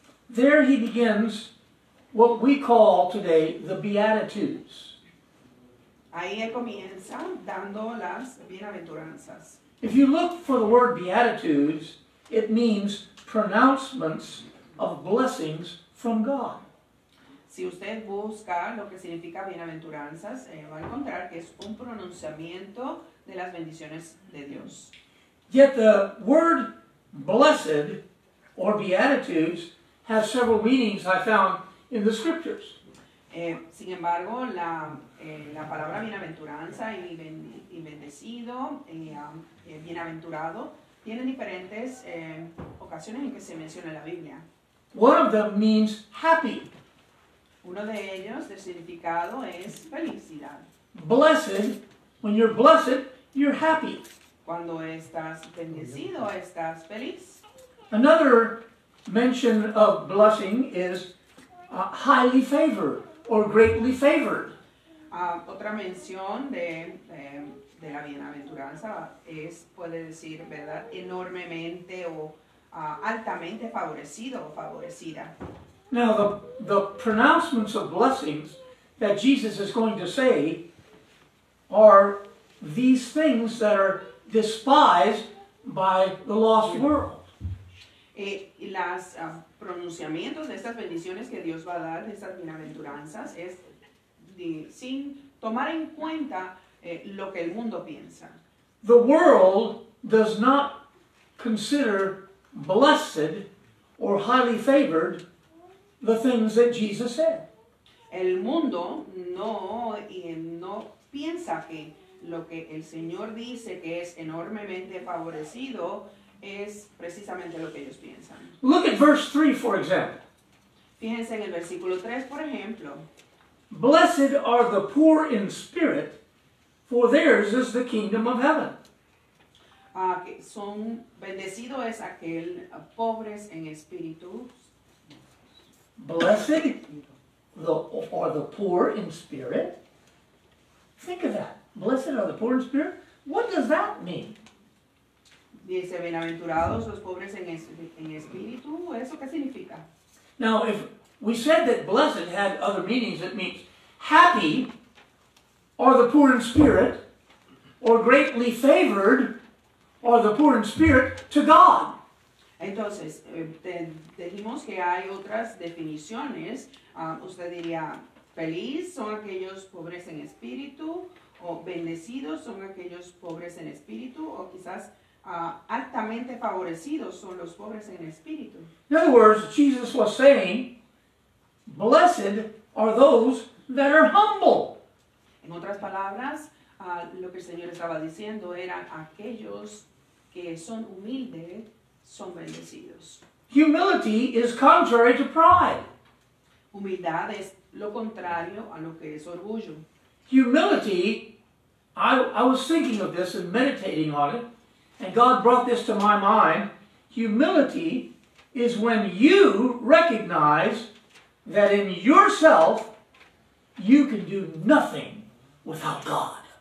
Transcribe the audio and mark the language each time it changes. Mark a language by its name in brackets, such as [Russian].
[English] There he begins what we call today the Beatitudes. [Spanish] Ahí él comienza dando las bienaventuranzas. [English] If you look for the word Beatitudes, it means pronouncements of blessings from God. [Spanish] Si usted busca lo que significa bienaventuranzas, va a encontrar que es un pronunciamiento de las bendiciones de Dios. [English] Yet the word blessed or Beatitudes has several meanings I found in the scriptures. [Spanish] Sin embargo, la palabra bienaventuranza y bendecido, bienaventurado, tienen diferentes ocasiones en que se menciona en la Biblia. [English] One of them means happy. [Spanish] Uno de ellos, el significado, es felicidad. [English] Blessed, when you're blessed, you're happy. [Spanish] Cuando estás bendecido, estás feliz. [English] Another mention of blessing is highly favored or greatly favored. [Spanish] Otra mención de la bienaventuranza es, puede decir, ¿verdad?, enormemente o altamente favorecido o favorecida. [English] Now, the pronouncements of blessings that Jesus is going to say are these things that are despised by the lost world. [Spanish] Las pronunciamientos de estas bendiciones que Dios va a dar, de estas bienaventuranzas, es sin tomar en cuenta lo que el mundo piensa. [English] The world does not consider blessed or highly favored the things that Jesus said. [Spanish] El mundo no piensa que lo que el Señor dice que es enormemente favorecido es precisamente lo que ellos piensan. [English] Look at verse 3, for example. [Spanish] Fíjense en el versículo 3, por ejemplo. [English] Blessed are the poor in spirit, for theirs is the kingdom of heaven. [Spanish] Son bendecido es aquel pobres en espíritu. [English] Blessed are the poor in spirit. Think of that. Blessed are the poor in spirit. What does that mean? [Spanish] Dice, bienaventurados los pobres en espíritu. ¿Eso qué significa? [English] Now, if we said that blessed had other meanings, it means happy are the poor in spirit, or greatly favored are the poor in spirit to God. [Spanish] Entonces, dijimos que hay otras definiciones. Usted diría, feliz son aquellos pobres en espíritu, o bendecidos son aquellos pobres en espíritu, o quizás altamente favorecidos son los pobres en espíritu. [English] In other words, Jesus was saying, blessed are those that are humble. [Spanish] En otras palabras, lo que el Señor estaba diciendo era aquellos que son humildes son bendecidos. [English] Humility is contrary to pride. [Spanish] Humildad es lo contrario a lo que es orgullo. [English] Humility, I was thinking of this and meditating on it, and God brought this to my mind. Humility is when you recognize that in yourself you can do nothing without God.